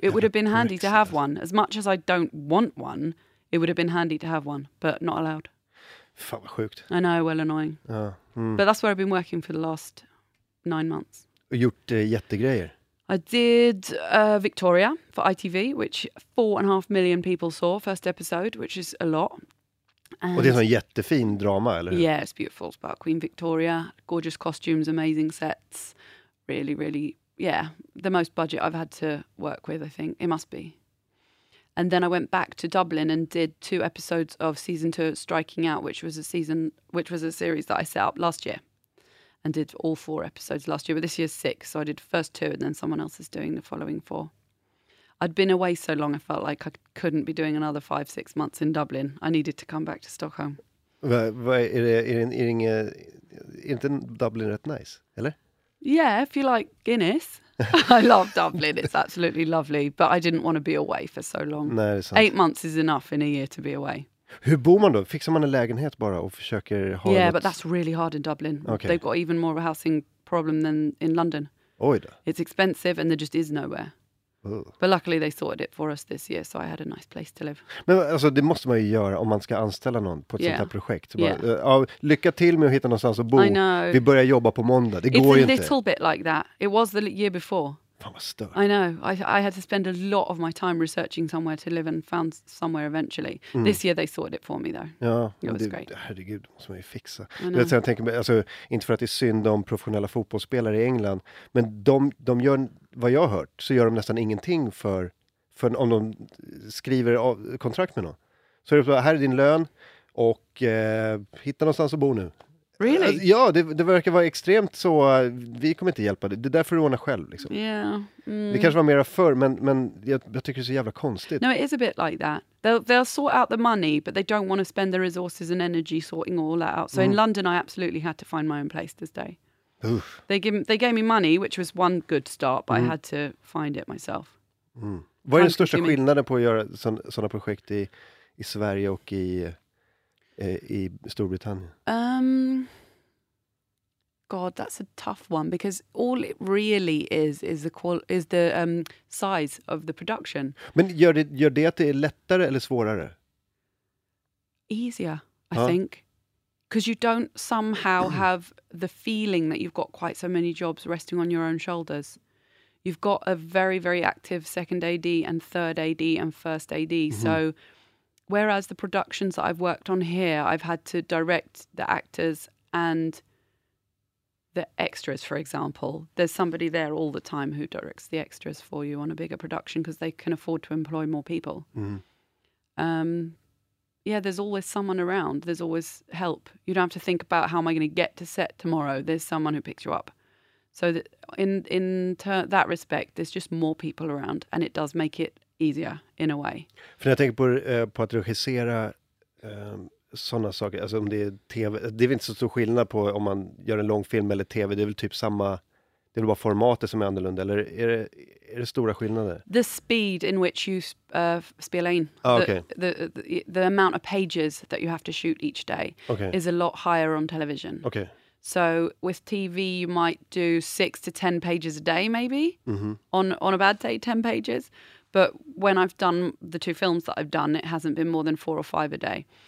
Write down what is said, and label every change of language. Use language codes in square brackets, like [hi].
[en] It would have been handy to have one. As much as I don't want one, it would have been handy to have one, but not allowed. [sv] Fan vad sjukt. [en] I know, well annoying. [sv] Ja. Mm. [en] But that's where I've been working for the last 9 months. [sv] Och gjort jättegrejer. [en] I did Victoria for ITV, which 4.5 million people saw first episode, which is a lot. [sv] And och det är en jättefin drama, eller hur? [en] Yeah, it's beautiful. It's about Queen Victoria. Gorgeous costumes, amazing sets. Really, really, yeah. The most budget I've had to work with, I think. It must be. And then I went back to Dublin and did 2 episodes of season 2 Striking Out, which was a series that I set up last year and did all 4 episodes last year. But this year's 6, so I did first 2 and then someone else is doing the following 4. I'd been away so long I felt like I couldn't be doing another 5-6 months in Dublin. I needed to come back to Stockholm. [sv] Är inte Dublin rätt nice, eller? [en] Yeah, if you like Guinness. I love Dublin, it's absolutely lovely, but I didn't want to be away for so long. [sv] Nej, det är sant. [en] 8 months is enough in a year to be away. [sv] Hur bor man då? Fixar man en lägenhet bara och försöker ha... [en] Yeah, but that's really hard in Dublin. Okay. They've got even more of a housing problem than in London. [sv] Oj då. [en] It's expensive and there just is nowhere. Oh. But luckily they sorted it for us this year, so I had a nice place to live. [sv] Men alltså, det måste man ju göra om man ska anställa någon på ett sånt här projekt. Bara, lycka till med att hitta någonstans att bo. [en] I know. [sv] Vi börjar jobba på måndag. Det [en] It's [sv] går ju inte. [en] It's a little bit like that. It was the year before. [sv] Fan vad stört. [en] I know. I had to spend a lot of my time researching somewhere to live and found somewhere eventually. Mm. This year they sorted it for me though. [sv] Ja. [en] It was great. [sv] Herregud, det måste man ju fixa. Jag tänker, alltså, inte för att det är synd om professionella fotbollsspelare i England, men de gör... Vad jag har hört så gör de nästan ingenting för om de skriver kontrakt med någon. Så är det bara, här är din lön och hitta någonstans att bo nu. Really? Ja, det verkar vara extremt så. Vi kommer inte hjälpa dig. Det är därför du ordnar själv. Liksom. [en] Yeah. [sv] Mm. Det kanske var mera förr, men jag tycker det är så jävla konstigt. [en] No, it is a bit like that. They'll sort out the money, but they don't want to spend the resources and energy sorting all that out. So in London, I absolutely had to find my own place to stay. They gave me money, which was one good start, but I had to find it myself. Mm. [sv] Vad är den största skillnaden på att göra sådana projekt i Sverige och i Storbritannien? [en] God, that's a tough one, because all it really is the size of the production. [sv] Men gör det att det är lättare eller svårare? [en] Easier, I think. Because you don't somehow have the feeling that you've got quite so many jobs resting on your own shoulders. You've got a very, very active second AD and third AD and first AD. Mm-hmm. So whereas the productions that I've worked on here, I've had to direct the actors and the extras, for example. There's somebody there all the time who directs the extras for you on a bigger production because they can afford to employ more people. Mm-hmm. Yeah, there's always someone around. There's always help. You don't have to think about how am I going to get to set tomorrow. There's someone who picks you up. So that in that respect, there's just more people around, and it does make it easier in a way. [sv] För jag tänker på att regissera såna saker. Alltså om det är TV, det är väl inte så stor skillnad på om man gör en lång film eller TV. Det är väl typ samma. Det är bara formatet som är annorlunda, eller är det stora skillnader? [en] The speed in which you [sv] spela in. Ah, [en] okay. The amount of pages that you have to shoot each day is a lot higher on television. Okay. So with TV you might do 6 to 10 pages a day maybe. Mm-hmm. On a bad day 10 pages, but when I've done the two films that I've done, it hasn't been more than 4 or 5 a day.